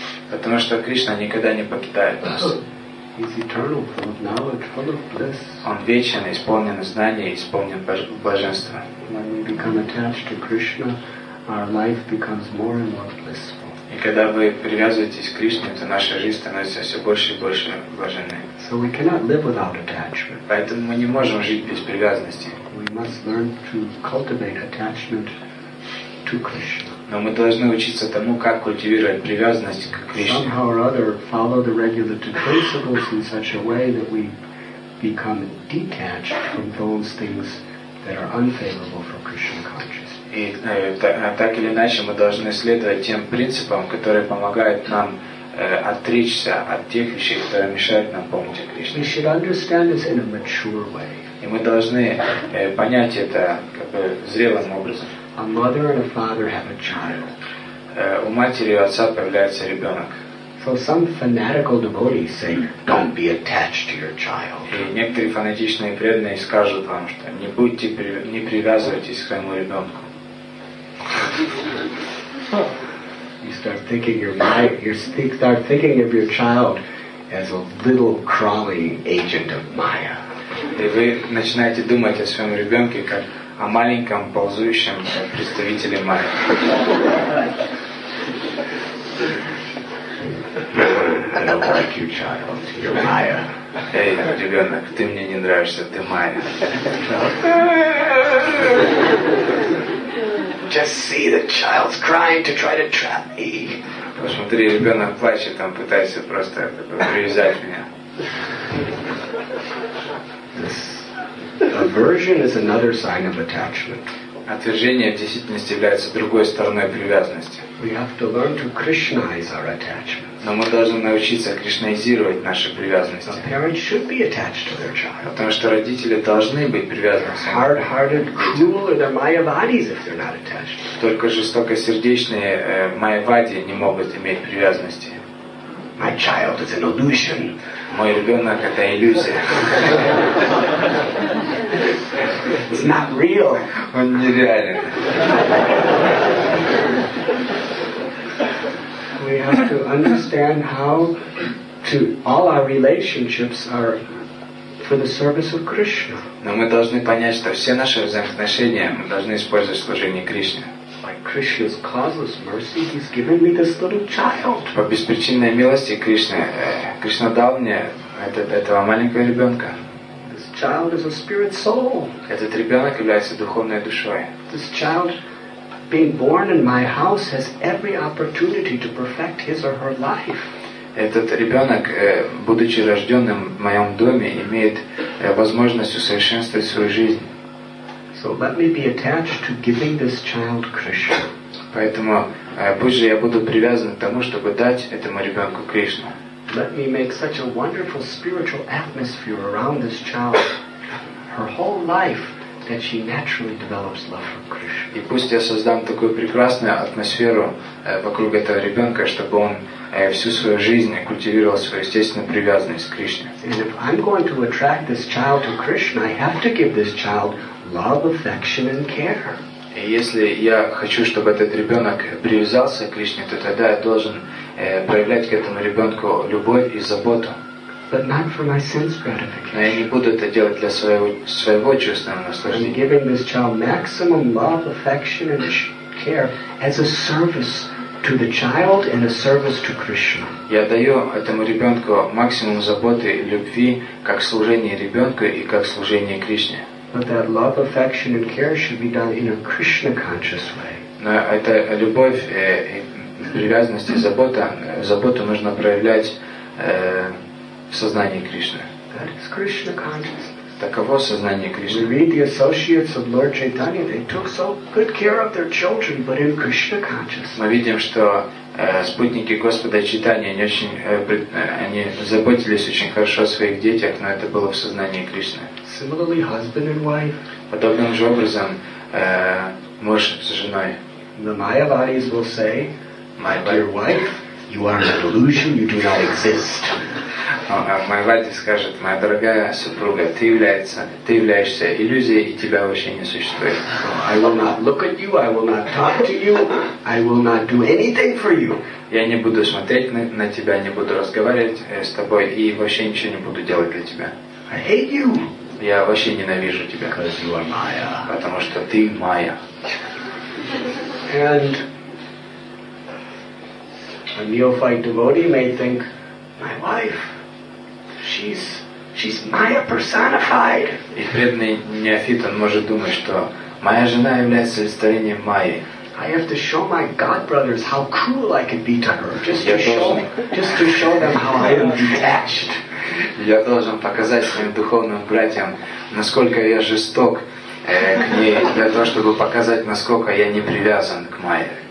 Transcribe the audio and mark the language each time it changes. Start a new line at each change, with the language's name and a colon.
Russian: Потому что Кришна никогда не покидает нас.
English: He's eternal, full of knowledge, full of bliss.
Russian: Он вечен, исполнен знания, исполнен блаженства.
English: When we become attached to Krishna, our life becomes more and more blissful.
Russian: И когда вы привязываетесь к Кришне, то наша жизнь становится все больше и больше блаженной.
English: So we cannot live without attachment.
Russian: Поэтому мы не можем жить без привязанности.
English: We must learn to cultivate attachment to Krishna.
Russian: Но мы должны учиться тому, как культивировать привязанность к Кришне.
English: Somehow or other, follow the regulative principles in such a way that we become detached from those things that are unfavorable for Krishna consciousness.
Russian: И так или иначе мы должны следовать тем принципам, которые помогают нам отречься от тех вещей, которые мешают нам помнить о Кришне.
English: We should understand this in a mature way.
Russian: И мы должны понять это как бы зрелым образом.
English: A mother and a father have a child.
Russian: У матери и отца появляется ребенок.
English: So some fanatical devotees say, "Don't be attached to your child."
Russian: И некоторые фанатичные преданные скажут вам, что не будьте не привязывайтесь к своему ребенку.
English: You start thinking your mind. You start thinking of your child as a little crawling agent of Maya.
Russian: И вы начинаете думать о своем ребенке как о маленьком ползущем представителе Майи.
English: I don't like you, child. You're Maya.
Russian: Эй, ребенок, ты мне не нравишься, ты Майя.
English: Just see the child's crying to try to trap me.
Russian: Посмотри, ребенок плачет, там пытается просто привязать меня.
English: Aversion is another sign of attachment.
Russian: Отвержение в действительности является другой стороной привязанности.
English: We have to learn to Krishnaize our attachments.
Russian: Но мы должны научиться кришнаизировать наши привязанности.
English: A parent should be attached to their child.
Russian: Потому что родители должны быть привязаны к своим.
English: Hard-hearted, cruel are the Mayavadis if they're not attached.
Russian: Только жестокосердечные майявади не могут иметь привязанности.
English: My child is an illusion.
Russian: Мой ребенок — это иллюзия.
English: It's not real.
Russian: Он нереален.
English: We have to understand how to all our relationships are for the service of Krishna.
Russian: Но мы должны понять, что все наши взаимоотношения мы должны использовать в служении Кришне.
English: By Krishna's causeless mercy, He's given me this little child.
Russian: По беспричинной милости Кришны, Кришна дал мне этого маленького ребенка.
English: This child is a spirit soul.
Russian: Этот ребенок является духовной душой.
English: This child, being born in my house, has every opportunity to perfect his or her life.
Russian: Этот ребенок, будучи рожденным в моем доме, имеет возможность усовершенствовать свою жизнь.
English: So let me be attached to giving this child Krishna.
Russian: Поэтому пусть же я буду привязан к тому, чтобы дать этому ребенку Кришну.
English: Let me make such a wonderful spiritual atmosphere around this child, her whole life, that she naturally develops love for Krishna.
Russian: И пусть я создам такую прекрасную атмосферу вокруг этого ребенка, чтобы он всю свою жизнь культивировал свою естественную привязанность к Кришне.
English: And if I'm going to attract this child to Krishna, I have to give this child love, affection, and care.
Russian: И если я хочу, чтобы этот ребенок привязался к Кришне, то тогда я должен проявлять к этому ребенку любовь и заботу.
English: But not for my sense gratification.
Russian: Но я не буду это делать для своего чувственного наслаждения.
English: I'm giving this child maximum love, affection, and care as a service to the child and a service to Krishna.
Russian: Я даю этому ребенку максимум заботы и любви как служение ребенку и как служение Кришне.
English: But that love, affection, and care should be done in a Krishna-conscious way.
Russian: Но эта любовь, привязанность и заботу нужно проявлять в сознании Кришны.
English: That is Krishna-consciousness.
Russian: Таково сознание Кришны.
English: We read the associates of Lord Chaitanya. They took so good care of their children, but in Krishna-consciousness.
Russian: Мы видим, что спутники Господа Чайтаньи, они заботились очень хорошо о своих детях, но это было в сознании Кришны.
English: Similarly, husband and wife.
Russian: Подобным же образом муж с женой.
English: The Mayavadis will say, my dear wife, you are an illusion, you do not exist.
Russian: моя Вади скажет, моя дорогая супруга, ты являешься иллюзией, и тебя вообще не существует.
English: I will not look at you, I will not talk to you, I will not do anything for you.
Russian: Я не буду смотреть на тебя, не буду разговаривать с тобой и вообще ничего не буду делать для тебя.
English: I hate you.
Russian: Я вообще ненавижу тебя.
English: Because you are Maya.
Russian: Потому что ты Майя.
English: And a neophyte devotee may think, my wife, she's Maya personified.
Russian: И преданный неофит он может думать, что моя жена является олицетворением Майи.
English: I have to show my God brothers how cruel I can be to her, just to show them how I am detached.
Russian: Я должен показать своим духовным братьям, насколько я жесток к ней, для того, чтобы показать, насколько я не привязан к Майе.